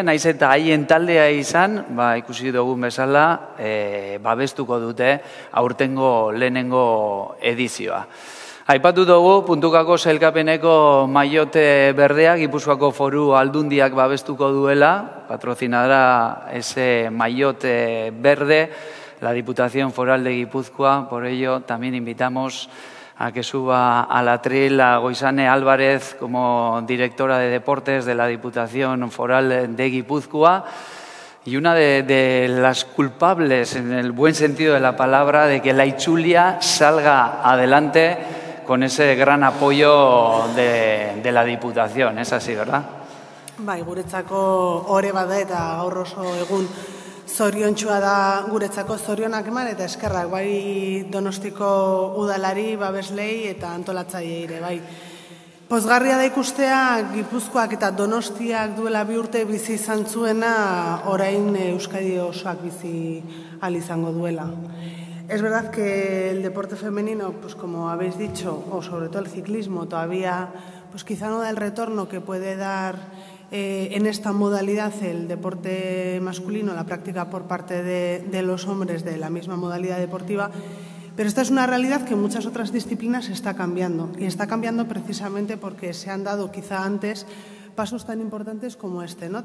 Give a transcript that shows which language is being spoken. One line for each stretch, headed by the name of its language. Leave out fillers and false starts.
Basque: Naiz eta haien taldea izan, ikusi dugun bezala, babestuko dute aurtengo lehenengo edizioa. Aipatu dugu, puntukako sailkapeneko maiote berdea, Gipuzkoako Foru Aldundiak babestuko duela,
Spanish: patrocinará ese maiote berde, la Diputación Foral de Gipuzkoa, por ello también invitamos a que suba al atril a Goizane Álvarez como directora de deportes de la Diputación Foral de Gipuzkoa y una de las culpables, en el buen sentido de la palabra, de que la Itzulia salga adelante con ese gran apoyo de la Diputación. Es así, ¿verdad?
Basque: Bai, guretzako ore bada eta gaur oso egun zoriontsua da guretzako zorionak eman eta eskerrak bai Donostiko udalari, babeslei eta antolatzaileei ere bai. Pozgarria da ikustea Gipuzkoak eta Donostiak duela bi urte bizi izan zuena orain Euskadi osoak bizi ahal izango duela.
Spanish: Es verdad que el deporte femenino, pues como habéis dicho, o sobre todo el ciclismo todavía, pues quizá no da el retorno que puede dar en esta modalidad el deporte masculino, la práctica por parte de los hombres de la misma modalidad deportiva, pero esta es una realidad que en muchas otras disciplinas está cambiando y está cambiando precisamente porque se han dado quizá antes pasos tan importantes como este, ¿no?